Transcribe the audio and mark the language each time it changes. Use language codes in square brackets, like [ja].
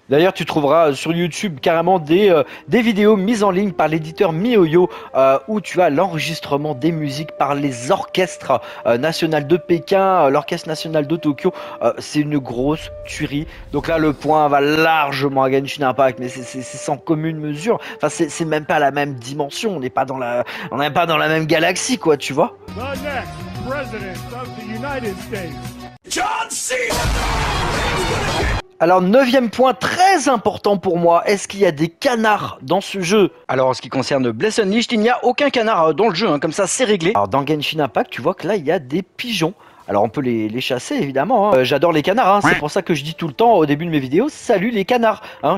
[fr] D'ailleurs tu trouveras sur YouTube carrément des vidéos mises en ligne par l'éditeur MiOyo où tu as l'enregistrement des musiques par les orchestres nationaux de Pékin, l'orchestre national de Tokyo. C'est une grosse tuerie. Donc là le point va largement à Genshin Impact, mais c'est sans commune mesure. Enfin, c'est même pas la même dimension, on n'est pas dans la même galaxie, quoi, tu vois. [en] The next president of the United States. John C. [fr] Alors, neuvième point très important pour moi, est-ce qu'il y a des canards dans ce jeu? Alors, en ce qui concerne Bless Unleashed, il n'y a aucun canard dans le jeu, hein, comme ça, c'est réglé. Alors, dans Genshin Impact, tu vois que là, il y a des pigeons. Alors on peut les chasser évidemment. Hein. J'adore les canards, hein. C'est pour ça que je dis tout le temps au début de mes vidéos, salut les canards. Hein.